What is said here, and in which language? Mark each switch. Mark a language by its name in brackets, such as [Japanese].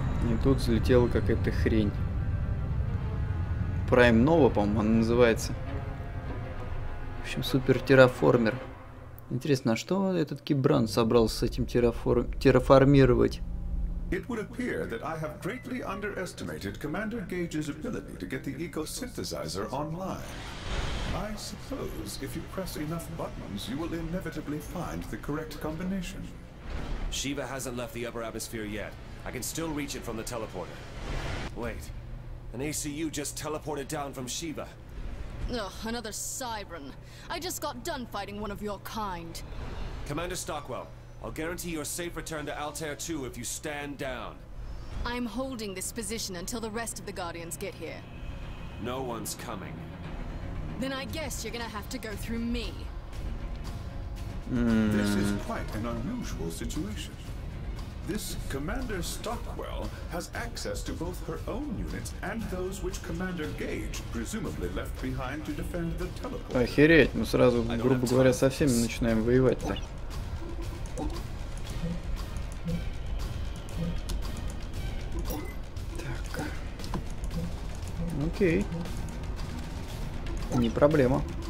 [Russian] И тут взлетела какая-то хрень. Prime Nova, по-моему, она называется. В общем, Супер Терраформер. Интересно, а что этот Кибран собрался с этим терраформировать? [English] It would appear that I have greatly underestimated Commander Gage's ability to get the eco-synthesizer online. I suppose if you press enough buttons, you will inevitably find the correct combination. Shiva hasn't left the upper atmosphere yet. I can still reach it from the teleporter. Wait, an ACU just teleported down from Shiva. Ugh, another Siren. I just got done fighting one of your kind. Commander Stockwell. I'll guarantee your safe return to Altair 2 if you stand down. I'm holding this position until the rest of the Guardians get here. No one's coming. Then I guess you're gonna have to go through me. This is quite an unusual situation. This Commander Stockwell has access to both her own units and those which Commander Gage presumably left behind to defend the teleport. [Russian] Охереть, мы сразу, грубо говоря, со всеми начинаем воевать-то. Окей, не проблема.